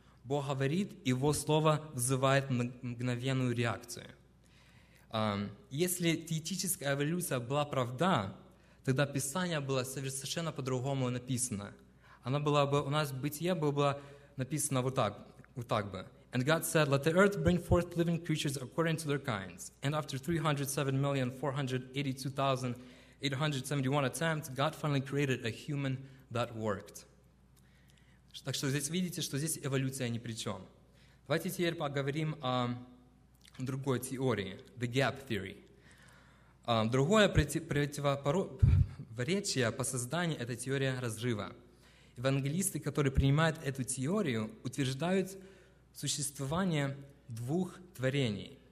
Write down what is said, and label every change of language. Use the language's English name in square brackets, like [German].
[Russian] Бог говорит, Его слово вызывает мгновенную реакцию. Если теетическая эволюция была правда, тогда Писание было совершенно по-другому написано. Оно было бы, у нас Бытие было написано вот так бы. [English] And God said, let the earth bring forth living creatures according to their kinds. And after 307,482,871 attempts, God finally created a human that worked. [Russian] Так что здесь видите, что здесь эволюция ни при чем. Давайте теперь поговорим о другой теории, [English] the gap theory. [Russian] Другое противоречие по созданию – это теория разрыва. Евангелисты, которые принимают эту теорию, утверждают существование двух творений.